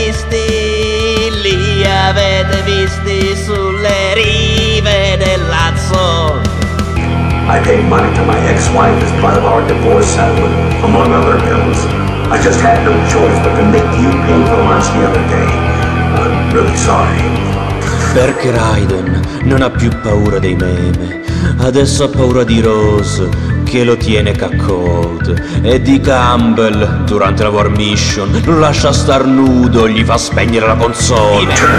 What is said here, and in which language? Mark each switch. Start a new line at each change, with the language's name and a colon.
Italian: Li avete visti sulle rive dell'Hudson.
English: I paid money to my ex-wife as part of our divorce settlement, among other bills. I just had no choice but to make you pay for lunch the other day. I'm really sorry.
Italian: Perché Raiden non ha più paura dei meme. Adesso ha paura di Rose, che lo tiene cuckold. E di Campbell, durante la War Mission, lo lascia star nudo, gli fa spegnere la console.